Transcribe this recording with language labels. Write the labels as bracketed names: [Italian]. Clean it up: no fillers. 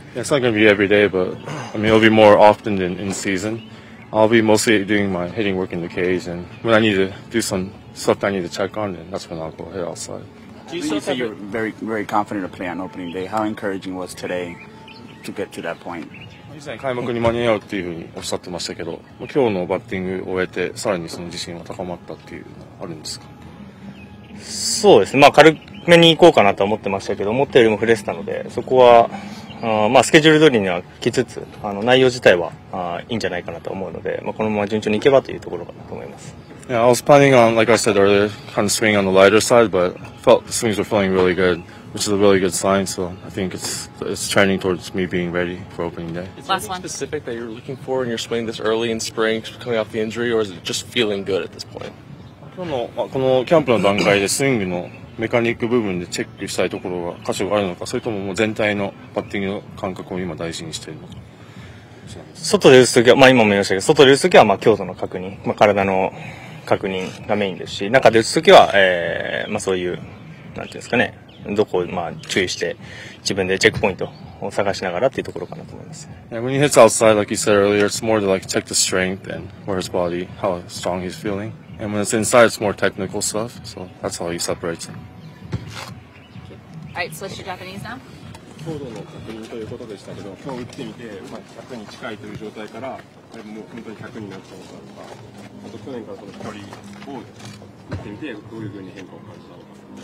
[English] Yeah, it's not going to be every day, but I mean, it'll be more often than in season. I'll be mostly doing my hitting work in the cage, and when I need to do some stuff that I need to check on, then that's when I'll go hit outside. You said you were very, very confident to play on opening day. How encouraging was today to get to that point? [Japanese] 以前開幕に間に合うっていうふうにおっしゃってましたけど、今日のバッティングを終えてさらにその自信は高まったっていうのはあるんですか？そうですね、まあ、軽めに行こうかなと思ってましたけど、思ったよりも振れてたので、そこはまあ、スケジュール通りには来つつ、内容自体はいいんじゃないかなと思うので、まあ、このまま順調にいけばというところかなと思います。 [English] Yeah, I was planning on, like I said earlier, kind of swing on the lighter side, but felt the swings were feeling really good, which is a really good sign, so I think it's trending towards me being ready for opening day. Is there anything specific that you're looking for in your swing this early in spring, coming off the injury, or is it just feeling good at this point? [Japanese] 今日の、まあ、このキャンプの段階でスイングのメカニック部分でチェックしたいところが箇所があるのか、それと もう全体のバッティングの感覚を今大事にしているのか。外で打つときは、まあ、今も言いましたけど、外で打つときはまあ強度の確認、まあ、体の確認がメインですし、中で打つときは、まあ、そういう、なんていうんですかね、どこをまあ注意して自分でチェックポイントを探しながらっていうところかなと思います。 [English] Yeah, when he hits outside, like you said earlier, it's more to like check the strength and where his body, how strong he's feeling. And when it's inside, it's more technical stuff, so that's how he separates them. Alright, switch to Japanese now. [Japanese] 強度の確認ということでしたけど、今日打ってみて、まあ、100に近いという状態から、本当に100になったのかとか、あと去年からその距離を見てみて、どういうふうに変化を感じたのか。